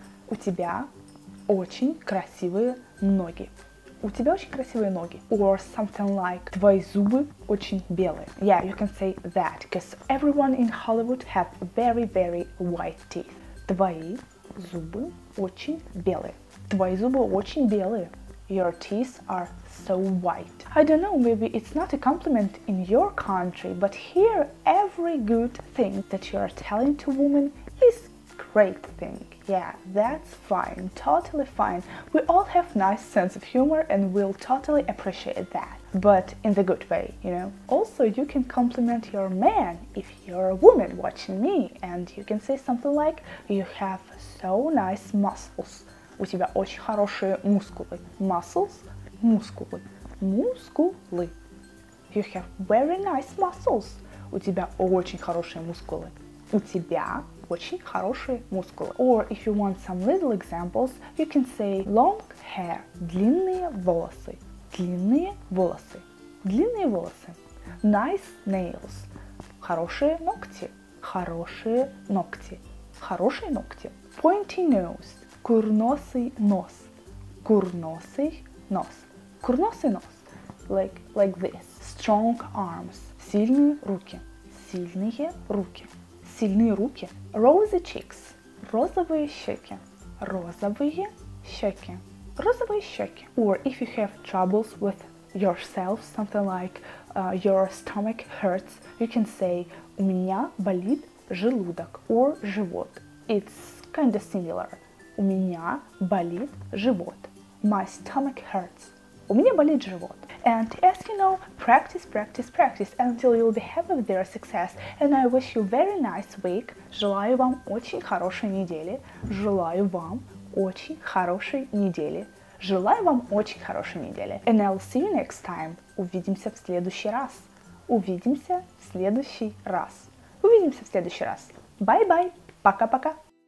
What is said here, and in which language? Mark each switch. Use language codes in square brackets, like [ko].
[ru] У тебя очень красивые ноги. У тебя очень красивые ноги. [en] Or something like [ru] твои зубы очень белые. [en] Yeah, you can say that, because everyone in Hollywood have very, very white teeth. [ru] Твои зубы очень белые. Твои зубы очень белые. [en] Your teeth are so white. I don't know, maybe it's not a compliment in your country, but here every good thing that you are telling to women is great thing. Yeah, that's fine, totally fine. We all have nice sense of humor and we'll totally appreciate that. But in the good way, you know. Also, you can compliment your man if you're a woman watching me, and you can say something like, you have so nice muscles. [ru] У тебя очень хорошие мускулы. Muscles. Мускулы. Мускулы. [en] You have very nice muscles. [ru] У тебя очень хорошие мускулы. У тебя очень хорошие мускулы. [en] Or if you want some little examples, you can say long hair. [ru] Длинные волосы. Длинные волосы. Длинные волосы. [en] Nice nails. [ru] Хорошие ногти. Хорошие ногти. Хорошие ногти. [en] Pointy nose. [ru] Курносый нос. Курносый нос. Курносый нос. [en] Like this. Strong arms. [ru] Сильные руки. Сильные руки. Сильные руки. [en] Rosy cheeks. [ru] Розовые щеки. Розовые щеки. Розовые щеки. [en] Or if you have troubles with yourself, something like your stomach hurts, you can say [ru] у меня болит желудок. [en] Or живот. It's kind of similar. [ru] У меня болит живот. [en] My stomach hurts. [ru] У меня болит живот. [en] And as you know, practice, practice, practice until you'll be happy with their success. And I wish you a very nice week. [ru] Желаю вам очень хорошей недели. Желаю вам очень хорошей недели. Желаю вам очень хорошей недели. [en] And I'll see you next time. [ru] Увидимся в следующий раз. Увидимся в следующий раз. Увидимся в следующий раз. [en] Bye-bye. [ru] Пока-пока.